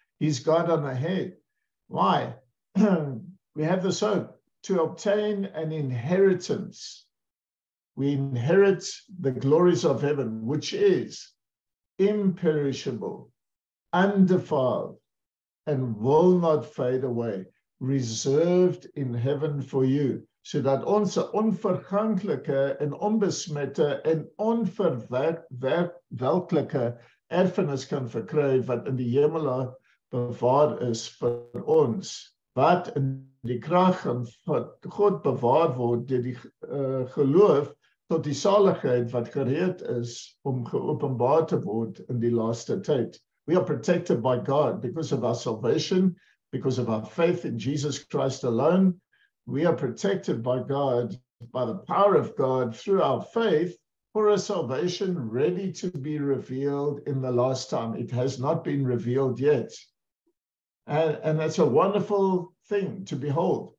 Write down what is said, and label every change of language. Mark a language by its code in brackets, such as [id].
[en] He's gone on ahead. Why? We have this hope to obtain an inheritance. We inherit the glories of heaven, which is imperishable, undefiled, and will not fade away, reserved in heaven for you. So that also [af] onverganklike en onbesmette en onverwelklike erfenis kan verkry wat in die hemel bewaar is vir ons, wat in die krag van God bewaar word deur die geloof tot die saligheid wat gereed is om geopenbaar te word in die laaste tyd. [en] We are protected by God because of our salvation, because of our faith in Jesus Christ alone. We are protected by God, by the power of God, through our faith, for a salvation ready to be revealed in the last time. It has not been revealed yet. And that's a wonderful thing to behold.